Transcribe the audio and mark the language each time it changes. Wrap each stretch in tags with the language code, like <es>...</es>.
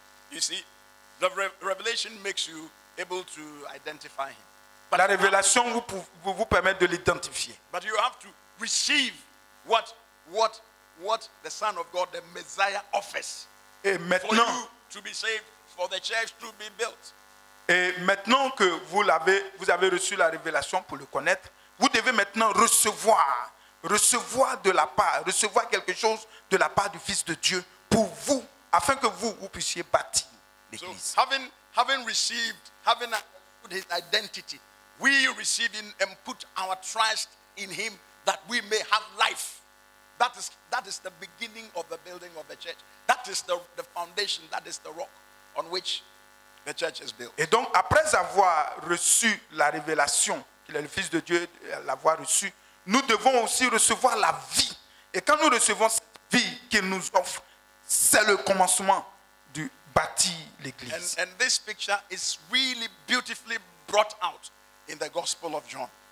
<en>You see, the revelation makes you able to identify him. But</en> <fr>la révélation vous permet de l'identifier.</fr> <en>But you have to receive what the Son of God, the Messiah, offers.</en> <fr>Et maintenant,</fr> <en>to be saved, for the church to be built.</en> <fr>Et maintenant que vous avez reçu la révélation pour le connaître, vous devez maintenant recevoir de la part, recevoir quelque chose de la part du Fils de Dieu pour vous, afin que vous puissiez bâtir l'Église.</fr> <en>So, having received, having put his identity, we receive him and put our trust in him that we may have life. That is the beginning of the building of the church. That is the foundation, that is the rock on which the church is built.</en> <fr>Et donc après avoir reçu la révélation qu'il est le fils de Dieu, l'avoir reçu, nous devons aussi recevoir la vie. Et quand nous recevons cette vie qu'il nous offre, c'est le commencement du bâtir l'église.</fr> <en>And this picture is really beautifully brought out in the Gospel of John.</en>